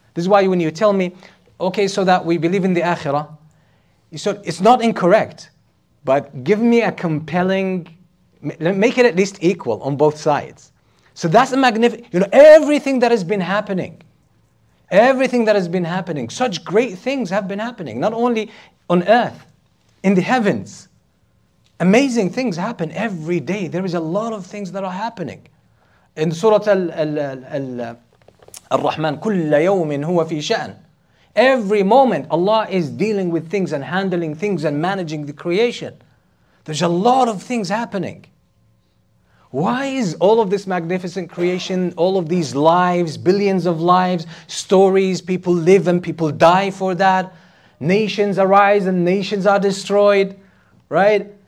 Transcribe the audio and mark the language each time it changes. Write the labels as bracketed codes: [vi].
[en] This is why when you tell me, okay, so that we believe in the akhirah, you said, it's not incorrect, but give me a compelling, make it at least equal on both sides. So that's a magnificent, you know, everything that has been happening, everything that has been happening, such great things have been happening, not only on earth, in the heavens. Amazing things happen every day. There is a lot of things that are happening. In Surah Al-Rahman, [ar] كُلَّ يَوْمٍ هُوَ فِي شَأْنٍ. [en] Every moment, Allah is dealing with things and handling things and managing the creation. There's a lot of things happening. Why is all of this magnificent creation, all of these lives, billions of lives, stories, people live and people die for that, nations arise and nations are destroyed, right?